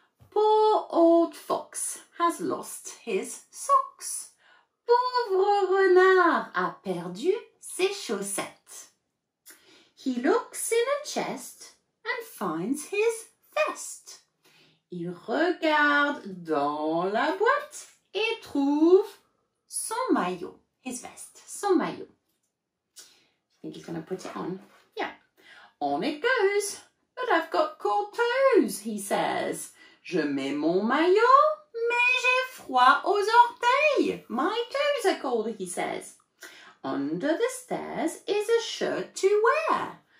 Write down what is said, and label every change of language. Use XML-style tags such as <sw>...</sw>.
<en>Poor old fox has lost his socks.</en> <fr>Pauvre renard a perdu ses chaussettes.</fr> <en>He looks in a chest and finds his vest.</en> <fr>Il regarde dans la boîte et trouve son maillot.</fr> <en>His vest,</en> <fr>son maillot.</fr> <en>I think he's going to put it on. Yeah. On it goes. But I've got cold toes, he says.</en> <fr>Je mets mon maillot, mais j'ai froid aux orteils.</fr> <en>My toes are cold, he says. Under the stairs is a shirt to wear.</en>